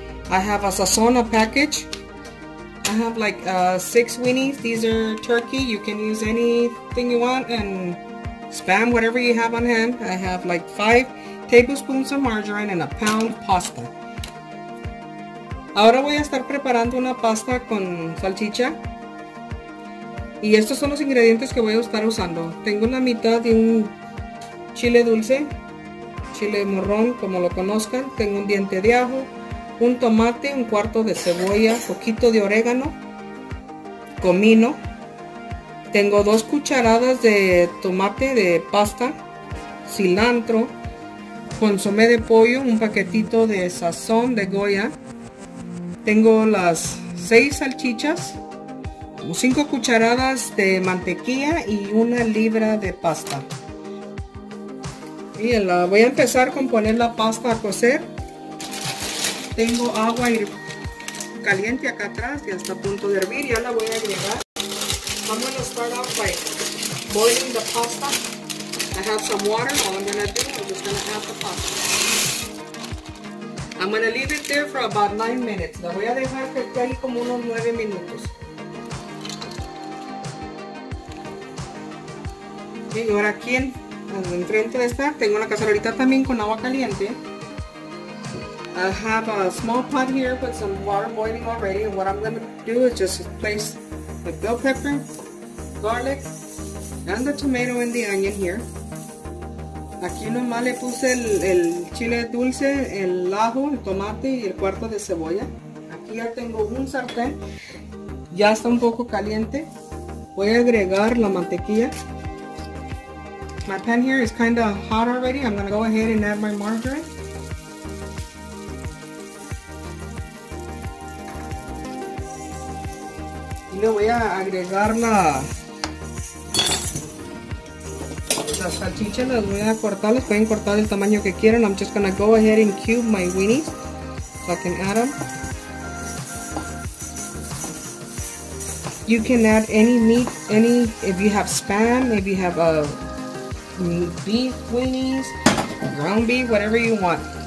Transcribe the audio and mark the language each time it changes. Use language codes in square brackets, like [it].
[en] I have a sazona package. I have like 6 weenies. These are turkey. You can use anything you want and spam whatever you have on hand. I have like 5 tablespoons of margarine and 1 pound pasta. [es] Ahora voy a estar preparando una pasta con salchicha. Y estos son los ingredientes que voy a estar usando. Tengo la mitad de un chile dulce, chile morrón, como lo conozcan. Tengo un diente de ajo, un tomate, 1/4 de cebolla, poquito de orégano, comino. Tengo 2 cucharadas de tomate de pasta, cilantro, consomé de pollo, un paquetito de sazón de Goya. Tengo las 6 salchichas, 5 cucharadas de mantequilla y 1 libra de pasta. Bien, la voy a empezar con poner la pasta a cocer. Tengo agua caliente acá atrás y hasta a punto de hervir. Ya la voy a agregar. [en] I'm going to start off by boiling the pasta. I have some water. All I'm going to do, I'm just going to add the pasta. I'm going to leave it there for about 9 minutes. [es] La voy a dejar que esté ahí como unos 9 minutos. Bien, ahora aquí enfrente de esta, tengo una cacerolita también con agua caliente. [en] I have a small pot here with some water boiling already. And what I'm going to do is just place the bell pepper, garlic, and the tomato and the onion here. [es] Aquí nomás le puse el chile dulce, el ajo, el tomate y 1/4 de cebolla. Aquí ya tengo un sartén. Ya está un poco caliente. Voy a agregar la mantequilla. [en] My pan here is kind of hot already. I'm going to go ahead and add my margarine. [es] Le voy a agregar las salchichas, las voy a cortar, las pueden cortar del tamaño que quieran. [en] I'm just gonna go ahead and cube my weenies so I can add them. You can add any meat, any, if you have spam, if you have a beef weenies, ground beef, whatever you want.